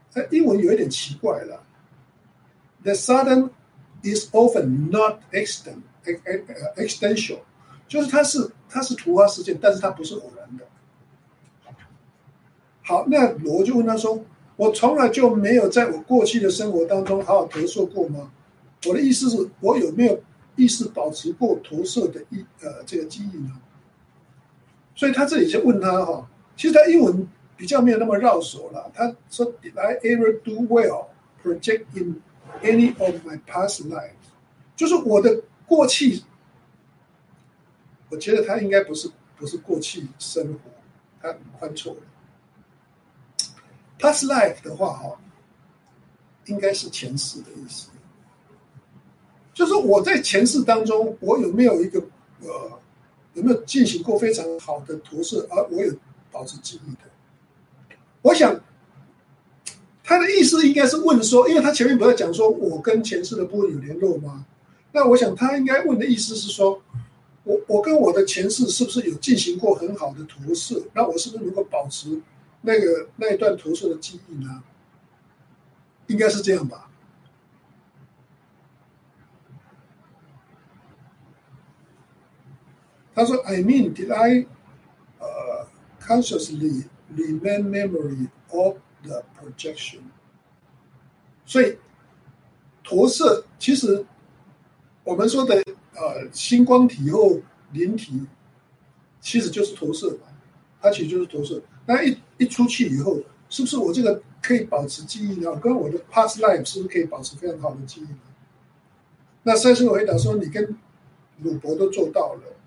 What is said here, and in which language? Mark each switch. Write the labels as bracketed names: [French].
[Chinese] 英文有一点奇怪了， [English] The sudden is often not accidental， [Chinese] 就是它是突发事件，但是它不是偶然的。好，那罗就问他说：“ 我从来就没有在我过去的生活当中好好投射过吗？我的意思是我有没有意识保持过投射的这个记忆呢？所以他这里就问他，其实他英文比较没有那么绕手了。他说 [English] Did I ever do well project in any of my past life? [Chinese] 就是我的过去，我觉得他应该不是过去生活，他犯错了。 Past life 的话，应该是前世的意思。就是我在前世当中，我有没有一个有没有进行过非常好的投射，而我有保持记忆的。我想他的意思应该是问说，因为他前面不是讲说我跟前世的部分有联络吗？那我想他应该问的意思是说， 我跟我的前世是不是有进行过很好的投射，那我是不是能够保持那一段投射的记忆呢？应该是这样吧。他说 [English] I mean, did I consciously remain memory of the projection? [Chinese] 所以投射其实我们说的星光体或灵体其实就是投射吧，它其实就是投射。那 一出去以后，是不是我这个可以保持记忆呢？跟我的 past life 是不是可以保持非常好的记忆呢？那赛斯回答说你跟鲁伯都做到了。